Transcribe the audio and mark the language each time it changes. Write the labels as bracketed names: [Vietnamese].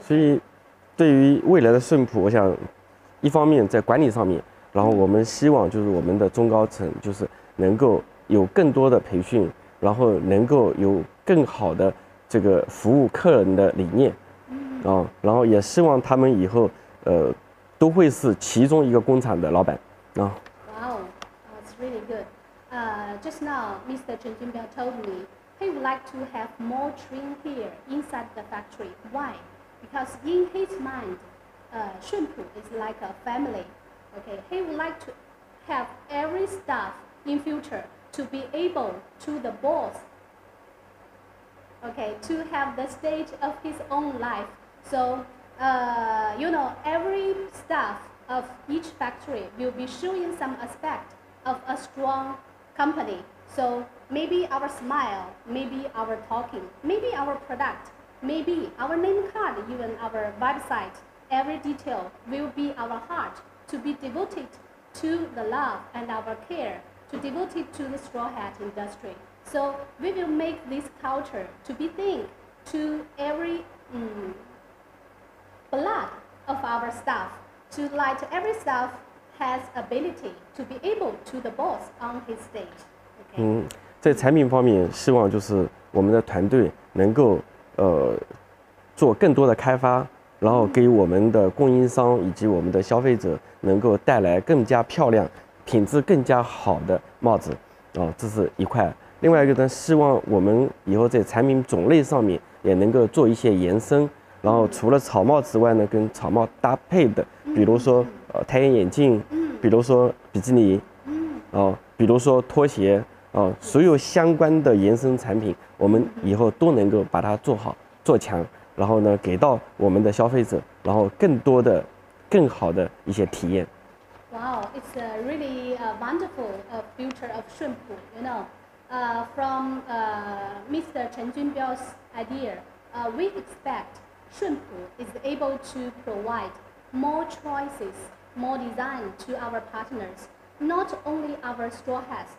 [Chinese] 所以，对于未来的顺普，我想，一方面在管理上面，然后我们希望就是我们的中高层就是能够有更多的培训，然后能够有更好的这个服务客人的理念，然后也希望他们以后都会是其中一个工厂的老板， [English] Wow, that's really good. Just now, Mr. Chen Junbiao told me he would like to have more train here inside the factory. Why? Because in his mind, Shunpu is like a family. Okay, he would like to have every staff in future to be able to the boss. Okay, to have the stage of his own life. So, you know, every staff of each factory will be showing some aspect of a strongcompany. So maybe our smile, maybe our talking, maybe our product, maybe our name card, even our website, every detail will be our heart to be devoted to the love and our care, to devote it to the straw hat industry. So we will make this culture to be think to every blood of our staff, to light every staff. Has ability to be able to the boss on his stage. Okay. [Chinese] 在产品方面，希望就是我们的团队能够做更多的开发，然后给我们的供应商以及我们的消费者能够带来更加漂亮、品质更加好的帽子。这是一块。另外一个呢，希望我们以后在产品种类上面也能够做一些延伸，然后除了草帽之外呢，跟草帽搭配的，比如说。太阳眼镜，比如说比基尼，比如说拖鞋，所有相关的延伸产品，我们以后都能够把它做好做强，然后呢给到我们的消费者，然后更多的更好的一些体验。 [English] Wow, it's a really wonderful future of Shunpu, you know, from Mr. Chen Junbiao's idea, we expect Shunpu is able to provide more choicesmore design to our partners, not only our straw hats.